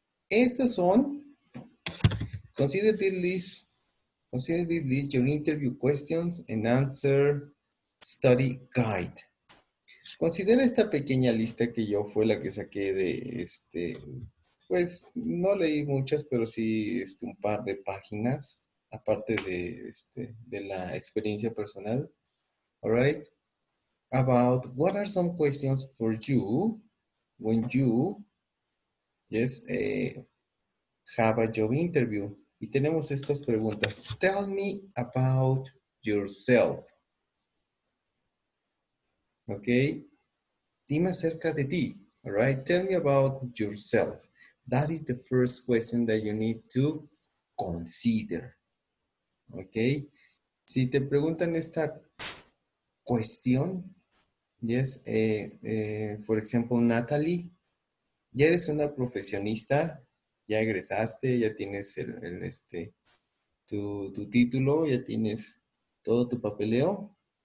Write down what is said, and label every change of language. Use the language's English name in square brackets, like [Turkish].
[Spanish] Estas son, [English] consider this list, your interview questions and answer study guide. [Spanish] Considera esta pequeña lista que yo fue la que saqué de pues no leí muchas, pero sí un par de páginas, aparte de de la experiencia personal. [English] All right. About what are some questions for you when you have a job interview? [Spanish] Y tenemos estas preguntas. [English] Tell me about yourself. [Spanish] Ok. Dime acerca de ti. [English] All right. Tell me about yourself. That is the first question that you need to consider. Ok. [Spanish] Si te preguntan esta cuestión, por ejemplo, Natalie, ya eres una profesionista. Ya egresaste, ya tienes tu título, ya tienes todo tu papeleo.